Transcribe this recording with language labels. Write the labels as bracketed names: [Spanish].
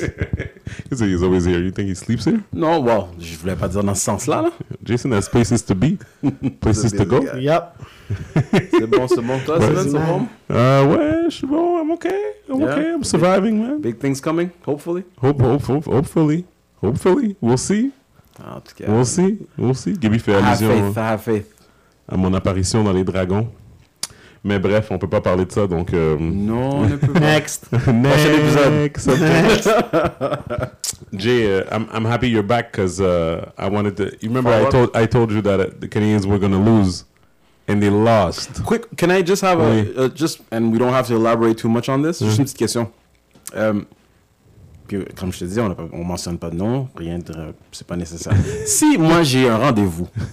[English] You say he's always here. You think he sleeps here? No, well, [French] je voulais pas dire dans ce sens-là. Là. [English] Jason has places to be. Places to go. Guy. Yep. [French] C'est bon. Toi, Sylvain, c'est bon? Ouais, je suis bon. [English] I'm okay. I'm surviving, big, man. Big things coming, hopefully. Hopefully. We'll see. We'll see. [French] Gibby fait allusion. [English] Have faith. [French] À mon apparition dans les dragons. Mais bref, on ne peut pas parler de ça, donc... Non, on ne peut pas. [English] Next. Next. [French] Prochain épisode. [English] Next. Jay, I'm happy you're back, because I wanted to... You remember I told you that the Canadians were going to lose, and they lost. Quick, can I just have and we don't have to elaborate too much on this, [French] juste une petite question. Comme je te disais, on ne mentionne pas de nom, rien de... c'est pas nécessaire. Si moi j'ai un rendez-vous...